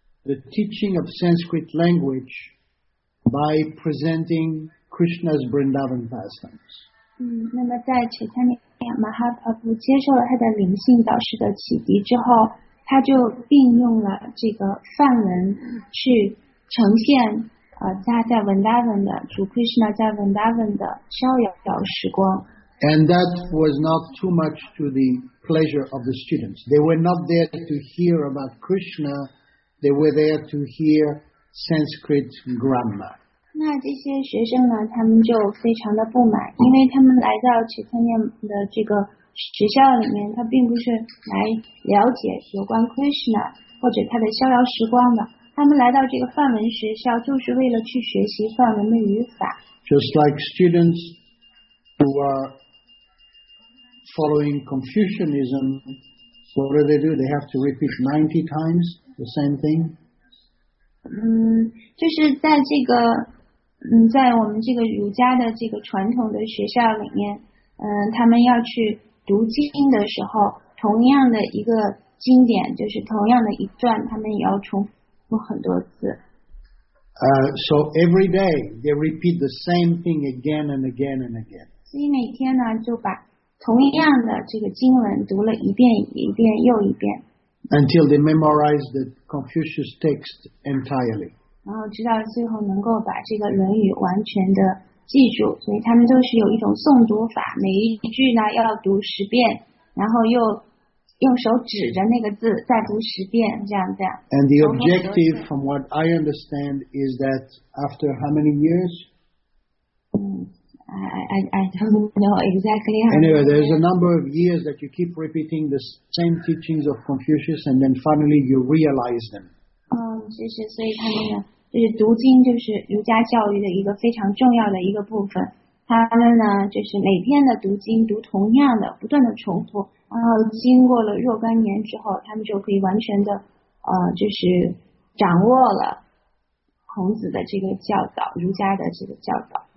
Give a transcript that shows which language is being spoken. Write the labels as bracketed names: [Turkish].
[English] The teaching of Sanskrit language by presenting Krishna's Vrindavan pastimes. [Chinese] 那么在 Chaitanya 亚马哈帕布接受了他的灵性导师的启迪之后，他就并用了这个梵文去呈现他在文达文的主 Krishna 在文达文的逍遥时光。 [English] And that was not too much to the pleasure of the students. They were not there to hear about Krishna. They were there to hear Sanskrit grammar. [Chinese] 那这些学生呢，他们就非常的不满，因为他们来到齐特念的这个学校里面，他并不是来了解有关 Krishna 或者他的逍遥时光的。他们来到这个梵文学校，就是为了去学习梵文的语法。 [English] Just like students. Who are following Confucianism, what do? They have to repeat 90 times the same thing? [Chinese] 就是在这个在我们这个儒家的这个传统的学校里面他们要去读经的时候，同样的一个经典，就是同样的一段，他们也要重复很多次。 [English] So every day, they repeat the same thing again and again and again. [Chinese] 所以每天呢，就把同样的这个经文读了一遍一遍又一遍。 [English] Until they memorize the Confucius text entirely. [Chinese] 然后直到最后能够把这个《论语》完全的记住，所以他们都是有一种诵读法，每一句呢要读十遍，然后又用手指着那个字再读十遍，这样。 [English] And the objective, from what I understand, is that after how many years? I don't know exactly how. Anyway, there's a number of years that you keep repeating the same teachings of Confucius, and then finally you realize them. [Chinese] 就是所以他们呢，就是读经就是儒家教育的一个非常重要的一个部分。他们呢，就是每天的读经，读同样的，不断的重复，然后经过了若干年之后，他们就可以完全的，就是掌握了孔子的这个教导，儒家的这个教导。